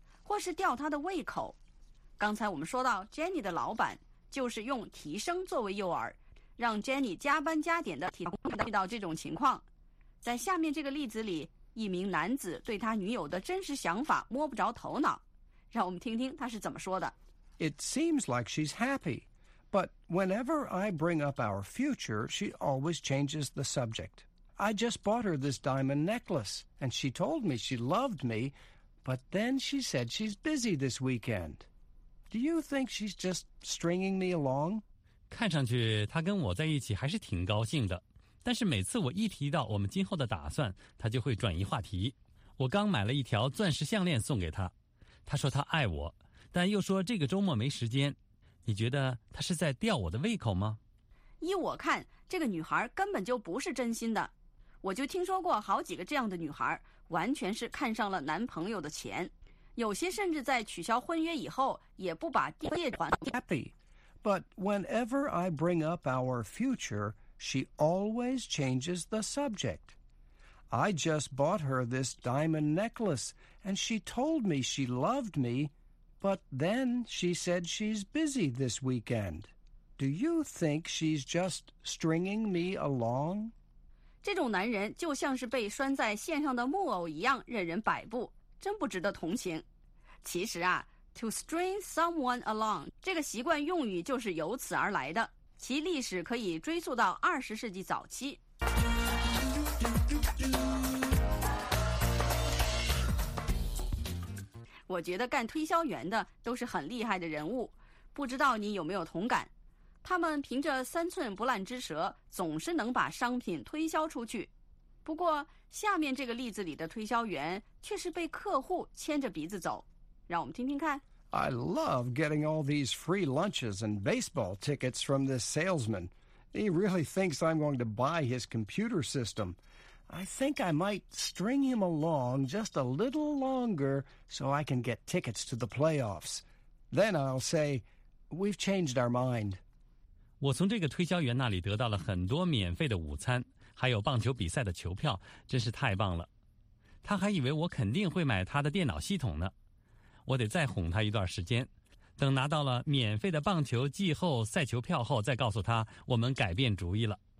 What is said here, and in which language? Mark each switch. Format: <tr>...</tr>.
<zh>或是吊他的胃口。刚才我们说到 Jenny 的老板就是用提升作为诱饵让 Jenny 加班加点的提升遇到这种情况。在下面这个例子里一名男子对他女友的真实想法摸不着头脑。让我们听听他是怎么说的。</zh> <en>It seems like she's happy, but whenever I bring up our future, she always changes the subject. I just bought her this diamond necklace, and she told me she loved me,But then she said she's busy this weekend. Do you think she's just stringing me along?</en> <zh>看上去她跟我在一起还是挺高兴的。但是每次我一提到我们今后的打算，她就会转移话题。我刚买了一条钻石项链送给她。她说她爱我，但又说这个周末没时间。你觉得她是在吊我的胃口吗？依我看，这个女孩根本就不是真心的。我就听说过好几个这样的女孩，完全是看上了男朋友的钱，有些甚至在取消婚约以后也不把借还。</zh> <en>Happy, but whenever I bring up our future, she always changes the subject. I just bought her this diamond necklace, and she told me she loved me, but then she said she's busy this weekend. Do you think she's just stringing me along?</en> <zh>这种男人就像是被拴在线上的木偶一样任人摆布，真不值得同情。其实啊 ,</zh> <en>to string someone along,</en> <zh>这个习惯用语就是由此而来的，其历史可以追溯到20世纪早期。我觉得干推销员的都是很厉害的人物，不知道你有没有同感，他们凭着三寸不烂之舌，总是能把商品推销出去。不过下面这个例子里的推销员却是被客户牵着鼻子走，让我们听听看。</zh> <en>I love getting all these free lunches and baseball tickets from this salesman. He really thinks I'm going to buy his computer system. I think I might string him along just a little longer so I can get tickets to the playoffs. Then I'll say, we've changed our mind.</en> <zh>我从这个推销员那里得到了很多免费的午餐，还有棒球比赛的球票，真是太棒了。他还以为我肯定会买他的电脑系统呢。我得再哄他一段时间，等拿到了免费的棒球季后赛球票后，再告诉他我们改变主意了。</zh>